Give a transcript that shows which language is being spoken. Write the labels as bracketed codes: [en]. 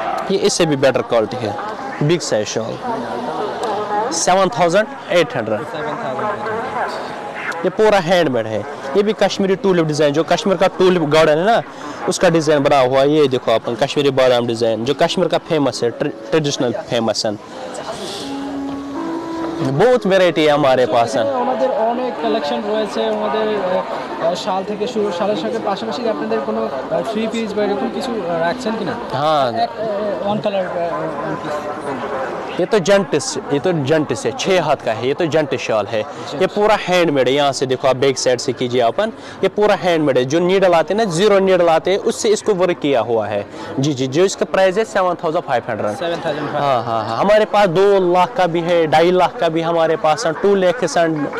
[hi] ये इससे भी बेटर क्वालिटी है, बिग साइज शॉल 7800। ये पूरा हैंडमेड है, ये भी कश्मीरी टूलिप डिज़ाइन, जो कश्मीर का टूलिप गार्डन है ना उसका डिज़ाइन बना हुआ। ये देखो अपन कश्मीरी बादाम डिज़ाइन, जो कश्मीर का फेमस है, ट्रेडिशनल फेमस है। बहुत वैरायटी है हमारे पास है, [bn] অনেক কালেকশন রয়েছে আমাদের শাল থেকে শুরু, শালের সঙ্গে পাশাপাশি আপনাদের কোনো থ্রি পিস বা এরকম কিছু রাখছেন কিনা? হ্যাঁ, [en] One colour. [hi] ये तो जंटिस, ये तो जंटिस है, छः हाथ का है, ये तो जंटिस शॉल है। ये पूरा हैंडमेड है, यहाँ से देखो आप बैक साइड से कीजिए अपन, ये पूरा हैंडमेड है। जो नीडल आते हैं ना, जीरो नीडल आते हैं, उससे इसको वर्क किया हुआ है। जी जी, जो इसका प्राइस है 7500। हाँ हाँ, हमारे पास 2 लाख का भी है, 2.5 लाख का भी हमारे पास है, 2 लाख के सन।